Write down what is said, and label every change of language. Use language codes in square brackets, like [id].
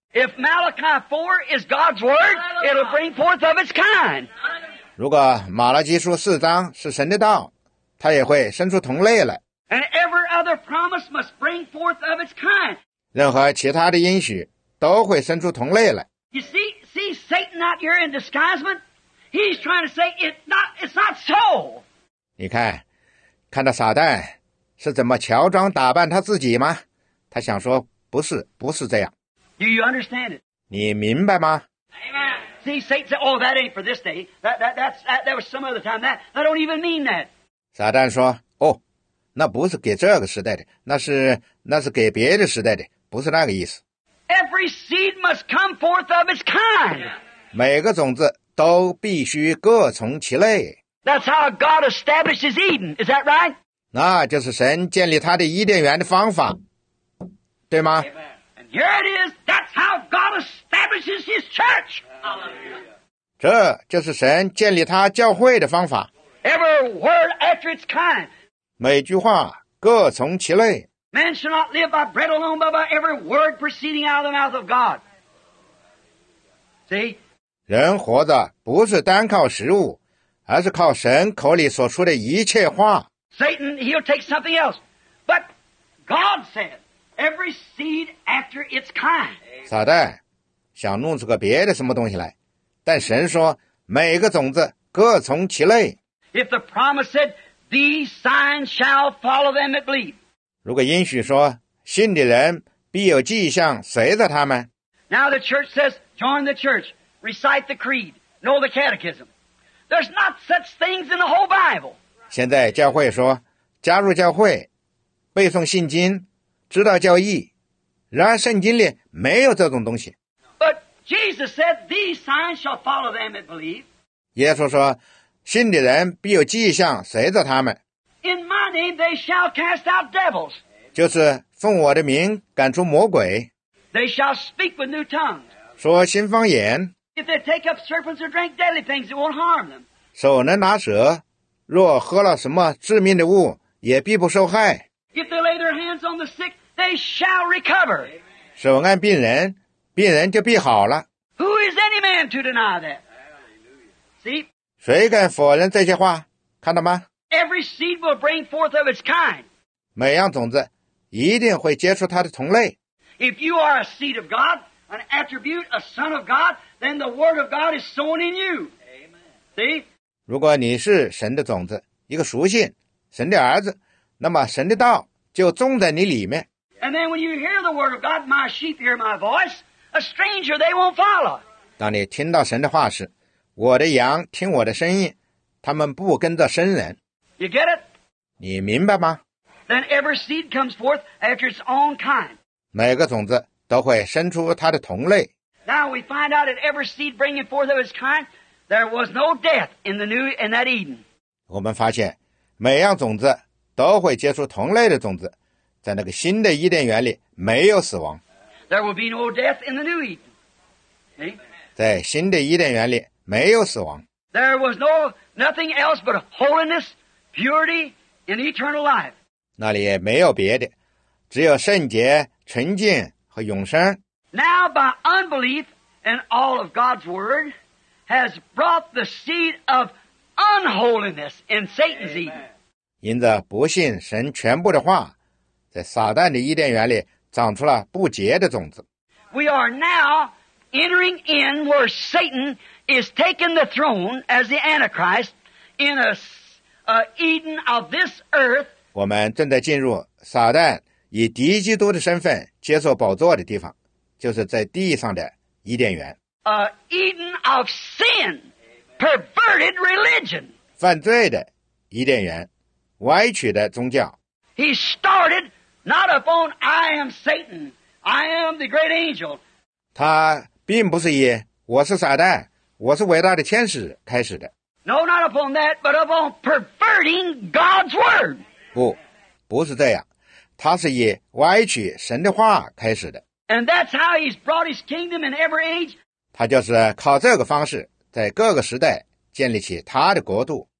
[en] If Malachi 4 is God's word, it'll bring forth of its kind. [zh] 如果马拉基书四章是神的道，它也会生出同类来。 [en] And every other promise must bring forth of its kind. [zh] 任何其他的应许都会生出同类来。 [en] You see Satan out here in disguisement? He's trying to say it's not so. [zh] 你看，看到撒旦是怎么乔装打扮他自己吗？他想说不是，不是这样。 [en] Do you understand it? [zh] 你明白吗？ [en] Amen. See, Satan said, "Oh, that ain't for this day. That was some other time. That I don't even mean that." [zh] 撒旦说，哦，那不是给这个时代的，那是给别的时代的，不是那个意思。 [en] Every seed must come forth of its kind. [zh] 每个种子都必须各从其类。 [en] That's how God establishes Eden. Is that right? [zh] 那就是神建立他的伊甸园的方法，对吗？ [en] Amen. And here it is. That's how God establishes His church. Hallelujah. [zh] 这就是神建立他教会的方法。 [en] Every word after its kind. [zh] 每句话各从其类。 [en] Man shall not live by bread alone, but by every word proceeding out of the mouth of God. See? [zh] 人活着不是单靠食物，而是靠神口里所出的一切话。 [en] Satan, he'll take something else. But God said, every seed after its kind. [zh] 撒旦想弄出个别的什么东西来，但神说，每个种子各从其类。 [en] If the promise said, these signs shall follow them that believe. [zh] 如果应许说信的人必有迹象随着他们。 [en] Now the church says, join the church, recite the creed, know the catechism. There's not such things in the whole Bible. [zh] 现在教会说加入教会，背诵信经，知道教义，然而圣经里没有这种东西。 [en] But Jesus said, these signs shall follow them that believe. [zh] 耶稣说信的人必有迹象随着他们。 [en] In my name they shall cast out devils. [zh] 就是奉我的名赶出魔鬼。 [en] They shall speak with new tongues. [zh] 说新方言。 [en] If they take up serpents or drink deadly things, it won't harm them. [zh] 手能拿蛇，若喝了什么致命的物，也必不受害。 [en] If they lay their hands on the sick, they shall recover. [zh] 手按病人，病人就必好了。 [en] Who is any man to deny that? See? [zh] 谁敢否认这些话？看到吗？ [en] Every seed will bring forth of its kind. [zh] 每样种子一定会结出它的同类。 [en] If you are a seed of God, an attribute, a son of God, then the word of God is sown in you. Amen. See? [zh] 如果你是神的种子，一个属性，神的儿子，那么神的道就种在你里面。 [en] And then when you hear the word of God, my sheep hear my voice, a stranger they won't follow. [zh] 当你听到神的话时，我的羊听我的声音，他们不跟着生人。 [en] You get it? [zh] 你明白吗？ [en] Then every seed comes forth after its own kind. [zh] 每个种子都会生出它的同类。 [en] Now we find out that every seed bringing forth of its kind, there was no death in that Eden. [zh] 我们发现每样种子都会结出同类的种子，在那个新的伊甸园里没有死亡。 [en] There will be no death in the new Eden. See? [zh] 在新的伊甸园里没有死亡。 [en] There was nothing else but holiness, purity, and eternal life. [zh] 那里也没有别的，只有圣洁、纯净和永生。 [en] Now by unbelief and all of God's word has brought the seed of unholiness in Satan's Eden. [zh] 因着不信神全部的话，在撒旦的伊甸园里长出了不洁的种子。 [en] We are now entering in where Satan is taking the throne as the Antichrist in a Eden of this earth. [zh] 我们正在进入撒旦以敌基督的身份接受宝座的地方，就是在地上的伊甸园。 [en] A Eden of sin, perverted religion. [zh] 犯罪的伊甸园，歪曲的宗教。 [en] He started not upon I am Satan, I am the great angel. [zh] 他并不是以我是撒旦，我是伟大的天使开始的。 [en] No, not upon that, but upon perverting God's word. [zh] 不，不是这样，他是以歪曲神的话开始的。 [en] And that's how he's brought his kingdom in every age. [zh] 他就是靠这个方式在各个时代建立起他的国度。